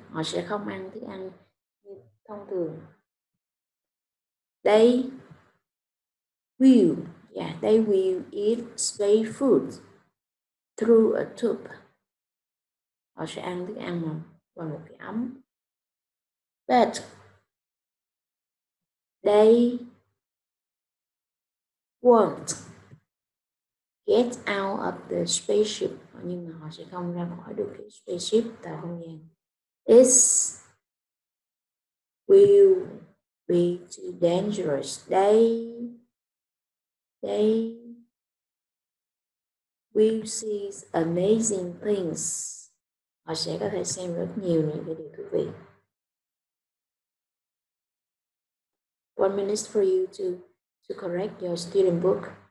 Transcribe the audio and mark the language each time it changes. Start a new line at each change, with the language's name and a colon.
Vietnamese: Họ sẽ không ăn thức ăn như thông thường.
English: They will eat space food through a tube.
Vietnamese: Họ sẽ ăn thức ăn qua một cái ống.
English: But they won't get out of the spaceship.
Vietnamese: Nhưng mà họ sẽ không ra khỏi được cái spaceship tại không gian.
English: It will be too dangerous. They will see amazing things.
Vietnamese: Họ sẽ có thể xem rất nhiều những cái điều thú vị.
English: 1 minute for you to correct your student book.